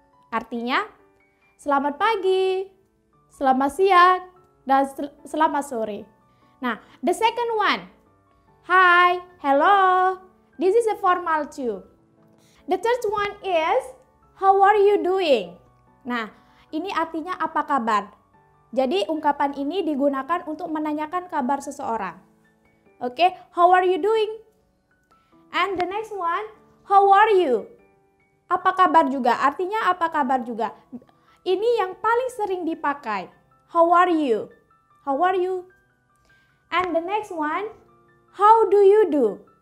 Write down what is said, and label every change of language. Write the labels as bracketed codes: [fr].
[id] Artinya, selamat pagi, selamat siang, dan selamat sore. [en] Nah, the second one. Hi, hello. This is a formal too. The third one is, how are you doing? [id] Nah, ini artinya apa kabar? Jadi, ungkapan ini digunakan untuk menanyakan kabar seseorang. [en] Oke, okay, how are you doing? And the next one, how are you? [id] Apa kabar juga, artinya apa kabar juga. Ini yang paling sering dipakai. [en] How are you? How are you? And the next one, how do you do?